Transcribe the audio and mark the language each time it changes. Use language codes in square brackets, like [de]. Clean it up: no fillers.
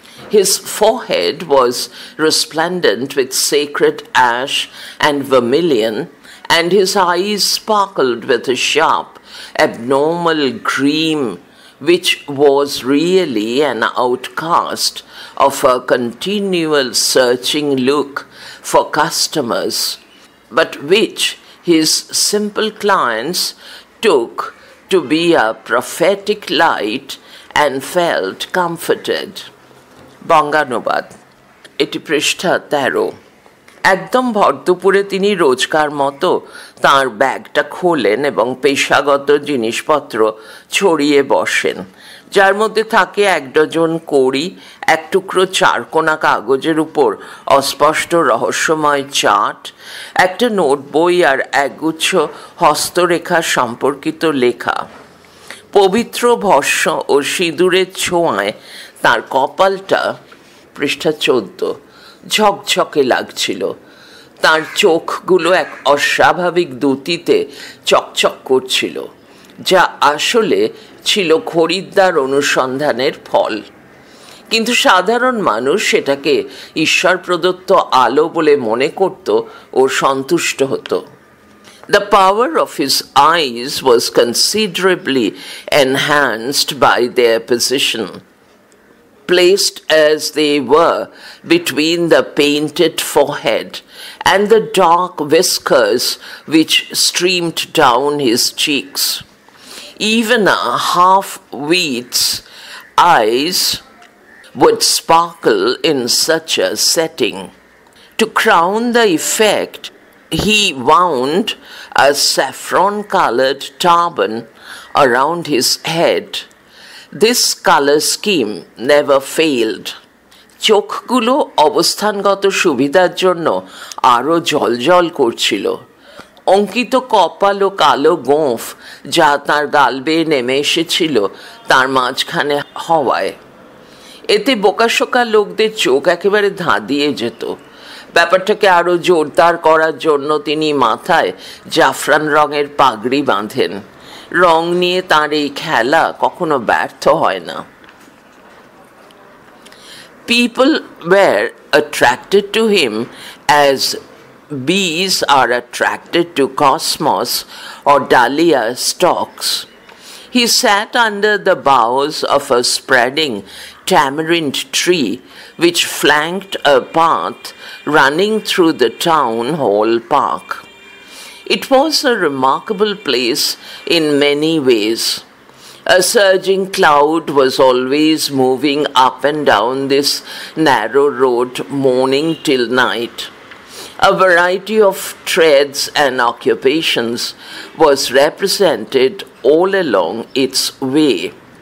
[en] His forehead was resplendent with sacred ash and vermilion, and his eyes sparkled with a sharp, abnormal gleam, which was really an outcast of a continual searching look for customers, but which his simple clients took to be a prophetic light and felt comforted. [bn] Bonganubad, eti prishtha 13. একদম ভরদুপুরে তিনি রোজকার মতো তাঁর ব্যাগটা খোলেন এবং পেশাগত জিনিসপত্র ছড়িয়ে বসেন, যার মধ্যে থাকে এক ডজন কড়ি, এক টুকরো চারকোনা কাগজের উপর অস্পষ্ট রহস্যময় চার্ট, একটা নোট বই আর একগুচ্ছ হস্তরেখা সম্পর্কিত লেখা। পবিত্র ভস্ম ও সিঁদুরের ছোঁয়ায় তাঁর কপালটা, পৃষ্ঠা 14, ঝকঝকে লাগছিল। তার চোখগুলো এক অস্বাভাবিক দ্যুতিতে চকচক করছিল, যা আসলে ছিল খরিদ্দার অনুসন্ধানের ফল, কিন্তু সাধারণ মানুষ সেটাকে ঈশ্বর প্রদত্ত আলো বলে মনে করত ও সন্তুষ্ট হতো। [en] The power of his eyes was considerably enhanced by their position. Placed as they were between the painted forehead and the dark whiskers which streamed down his cheeks, even a half-wit's eyes would sparkle in such a setting. To crown the effect, he wound a saffron-colored turban around his head. This color scheme never failed. [bn] চোখগুলো অবস্থানগত সুবিধার জন্য আরো জলজল করছিল। অঙ্কিত কপাল ও কালো গোঁফ যা তার গাল বেয়ে নেমে এসেছিল তার মাঝখানে হওয়ায়, এতে বোকাশোকা লোকদের চোখ একেবারে ধাঁধিয়ে যেত। ব্যাপারটাকে আরো জোরদার করার জন্য তিনি মাথায় জাফরান রঙের পাগড়ি বাঁধেন। রং নিয়ে তাঁর এই খেলা কখনো ব্যর্থ হয় না। [en] People were attracted to him as bees are attracted to cosmos or dahlia stalks. He sat under the boughs of a spreading tamarind tree which flanked a path running through the town hall park. It was a remarkable place in many ways. A surging cloud was always moving up and down this narrow road morning till night. A variety of trades and occupations was represented all along its way.